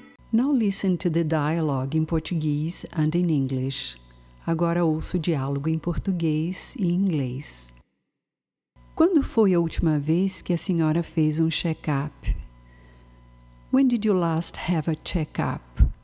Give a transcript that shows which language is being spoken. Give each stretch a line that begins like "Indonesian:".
English: Now listen to the dialogue in Portuguese and in English.
Portuguese: Agora ouço o diálogo em português e inglês. Quando foi a última vez que a senhora fez um check-up?
English: When did you last have a check-up?